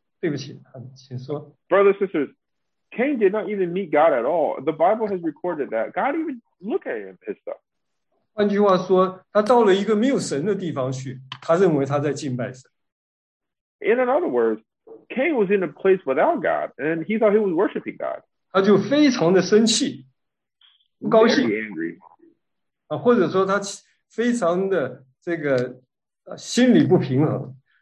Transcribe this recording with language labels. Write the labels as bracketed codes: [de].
[zh] 弟兄姊妹，所以呢，他是遇见，根本没有遇见神。那么圣经上记载说，神就看都没有看他，因为他早……对不起，请说。 [en] Brothers, sisters. Cain did not even meet God at all. The Bible has recorded that. God even looked at him pissed off. [zh] 换句话说，他到了一个没有神的地方去，他认为他在敬拜神。In [en] other words, Cain was in a place without God, and he thought he was worshiping God. [zh] 他就非常的生气，不高兴。 [en] Very angry. [zh] 或者说他非常的这个心理不平衡。